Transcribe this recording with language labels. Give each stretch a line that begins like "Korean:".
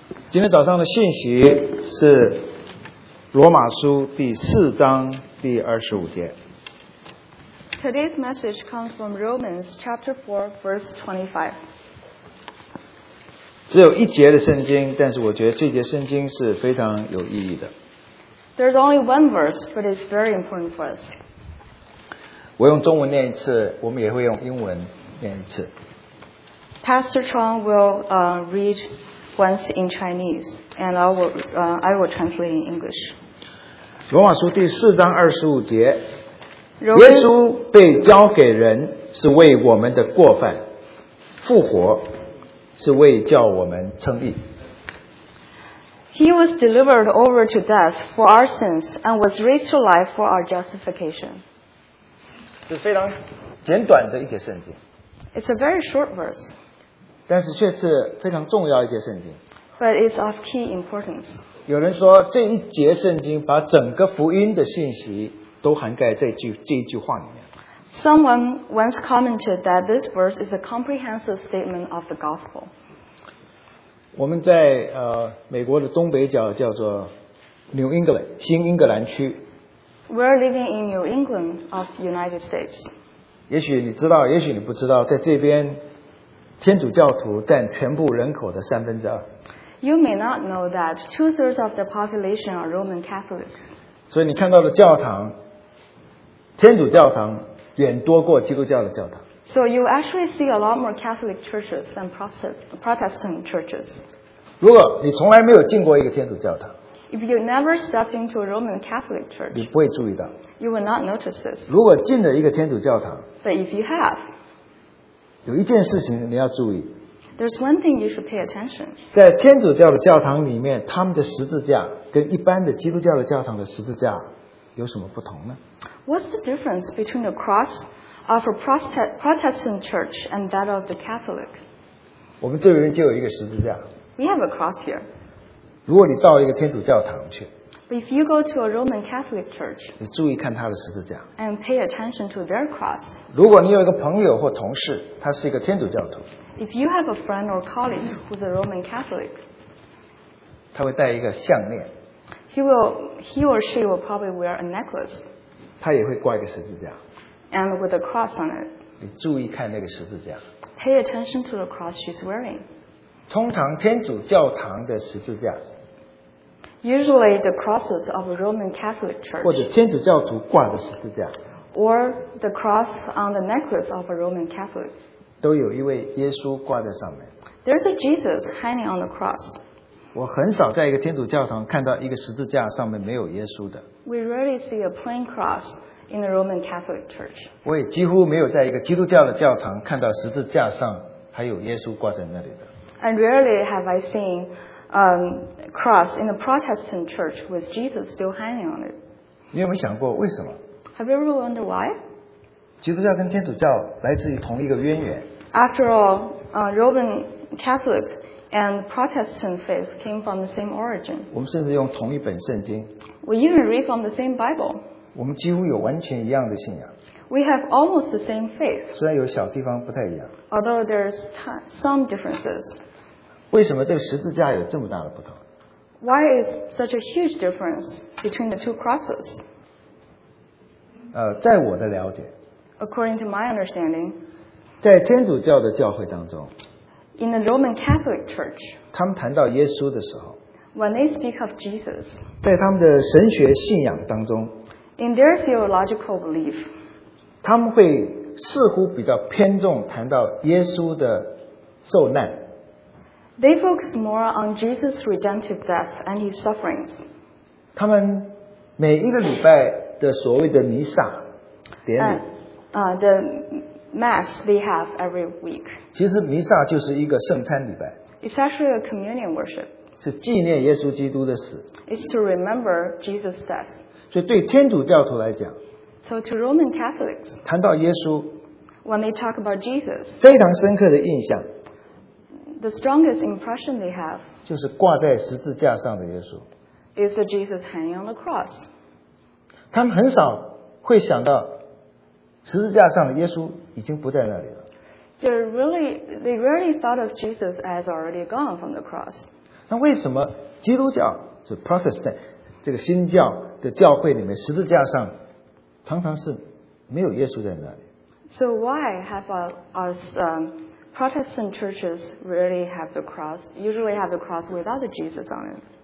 Chinese: 今天早上的信息是罗马书第四章第二十五节。
English: Today's message comes from Romans chapter 4, verse 25.
Chinese: 只有一节的圣经，但是我觉得这节圣经是非常有意义的。
English: There's only one verse, but it's very important for us.
Chinese: 我用中文念一次，我们也会用英文念一次。
English: Pastor Chong will read once in Chinese, and I will translate in English.
Chinese: 罗马书第四章二十五节，耶稣被交给人是为我们的过犯，复活是为叫我们称义。
English: He was delivered over to death for our sins and was raised to life for our justification.
Chinese: 是非常简短的一节圣经。
English: It's a very short verse.
Chinese: 但是却是非常重要一节圣经。
English: But it's of key importance.
Chinese: 有人说这一节圣经把整个福音的信息都涵盖在这一句话里面。
English: Someone once commented that this verse is a comprehensive statement of the gospel.
Chinese: 我们在美国的东北角叫做 New England, 新英格兰区。
English: We're living in New England of the United States.
Chinese: 也许你知道，也许你不知道，在这边天主教徒占全部人口的三分之二。
English: You may not know that two-thirds of the population are Roman Catholics.
Chinese: 所以你看到的教堂，天主教堂远多过基督教的教堂。
English: So you actually see a lot more Catholic churches than Protestant churches.
Chinese: 如果你从来没有进过一个天主教堂，
English: If you never stepped into a Roman Catholic church,
Chinese: 你不会注意到。
English: You will not notice this.
Chinese: 如果进了一个天主教堂，
English: But if you have,
Chinese: 有一件事情你要注意。
English: There's one thing you should pay attention.
Chinese: 在天主教的教堂里面，他们的十字架跟一般的基督教的教堂的十字架有什么不同呢？
English: What's the difference between the cross of a Protestant church and that of the Catholic?
Chinese: 我们这边就有一个十字架。
English: We have a cross here.
Chinese: 如果你到一个天主教堂去，
English: But if you go to a Roman Catholic church,
Chinese: 你注意看他的十字架。
English: And pay attention to their cross.
Chinese: 如果你有一个朋友或同事，他是一个天主教徒。
English: If you have a friend or colleague who's a Roman Catholic,
Chinese: 他会戴一个项链。
English: He or she will probably wear a necklace.
Chinese: 他也会挂一个十字架。
English: And with a cross on it.
Chinese: 你注意看那个十字架。
English: Pay attention to the cross she's wearing.
Chinese: 通常天主教堂的十字架。
English: Usually the crosses of a Roman Catholic church.
Chinese: 或者天主教徒挂的十字架。
English: Or the cross on the necklace of a Roman Catholic.
Chinese: 都有一位耶稣挂在上面。
English: There's a Jesus hanging on the cross.
Chinese: 我很少在一个天主教堂看到一个十字架上面没有耶稣的。
English: We rarely see a plain cross in the Roman Catholic Church.
Chinese: 我也几乎没有在一个基督教的教堂看到十字架上还有耶稣挂在那里的。
English: And rarely have I seen a cross in a Protestant church with Jesus still hanging on it.
Chinese: 你有没有想过为什么？
English: Have you ever wondered why?
Chinese: 基督教跟天主教来自于同一个渊源。
English: After all, Roman Catholic and Protestant faith came from the same origin.
Chinese: 我们甚至用同一本圣经。
English: We even read from the same Bible.
Chinese: 我们几乎有完全一样的信仰。
English: We have almost the same faith.
Chinese: 虽然有小地方不太一样。
English: Although there's some differences.
Chinese: 为什么这个十字架有这么大的不同？
English: Why is such a huge difference between the two crosses?
Chinese: 在我的了解。
English: According to my understanding,
Chinese: 在天主教的教会当中，
English: in the Roman Catholic Church,
Chinese: 他们谈到耶稣的时候，
English: when they speak of Jesus,
Chinese: 在他们的神学信仰当中，
English: in their theological belief,
Chinese: 他们会似乎比较偏重谈到耶稣的受难，
English: they focus more on Jesus' redemptive death and his sufferings.
Chinese: 他们每一个礼拜的所谓的弥撒典礼。
English: The mass they have every week.
Chinese: 其实弥撒就是一个圣餐礼拜。
English: It's actually a communion worship.
Chinese: 是纪念耶稣基督的死。
English: It's to remember Jesus' death.
Chinese: 所以对天主教徒来讲，
English: So to Roman Catholics,
Chinese: 谈到耶稣，
English: when they talk about Jesus,
Chinese: 非常深刻的印象，
English: the strongest impression they have,
Chinese: 就是挂在十字架上的耶稣，
English: is the Jesus hanging on the cross.
Chinese: 他们很少会想到十字架上的耶稣已经不在那里了。
English: They really thought of Jesus as already gone from the cross.
Chinese: 那为什么基督教是 Protestant 这个新教的教会里面十字架上常常是没有耶稣在那里？
English: So why have us Protestant churches really have the cross, usually have the cross without Jesus on it?